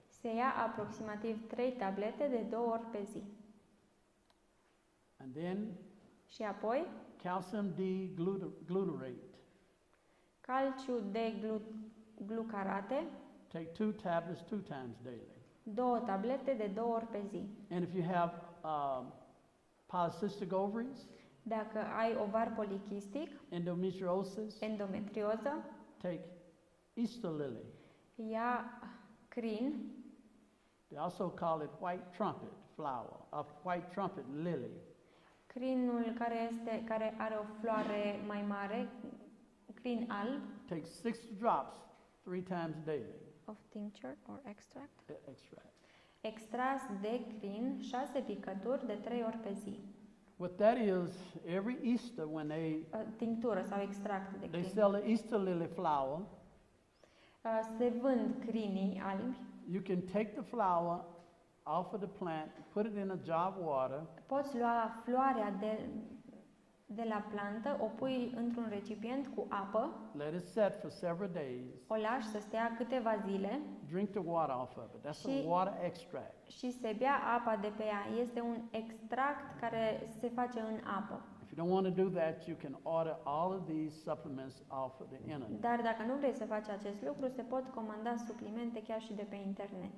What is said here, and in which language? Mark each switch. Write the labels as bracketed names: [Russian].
[Romanian] Se ia aproximativ 3 tablete de 2 ori pe zi. [English] And then [Romanian] și apoi [English] calcium D-glutarate. [Romanian] Calciu de glucarate. [English] Take 2 tablets 2 times daily. [Romanian] Două tablete de două ori pe zi. [English] And if you have polycystic ovaries, [Romanian] dacă ai ovar polichistic, [English] endometriosis, [Romanian] endometrioză, [English] take Easter lily. [Romanian] Ia crin. [English] They also call it white trumpet flower, a white trumpet lily. [Romanian] Crinul care este care are o floare mai mare, crin alb. [English] Take 6 drops 3 times daily. Of tincture or extract? Extract. [Romanian] Extras de crin, 6 picături de 3 ori pe zi. [English] What that is, every Easter when they [Romanian] tinctură sau extract de crin. [English] They sell the Easter lily flower. [Romanian] Se vând crinii albi. [English] You can take the flower off of the plant, put it in a jar of water. [Romanian] Poți lua floarea de la plantă, o pui într-un recipient cu apă. [English] Let it set for several days. [Romanian] O lași să stea câteva zile. [English] Drink the water off of it. That's a water extract. [Romanian] Și se bea apa de pe ea. Este un extract care se face în apă. [English] If you don't want to do that, you can order all of these supplements off of the internet. [Romanian] Dar dacă nu vrei să faci acest lucru, se pot comanda suplimente chiar și de pe internet.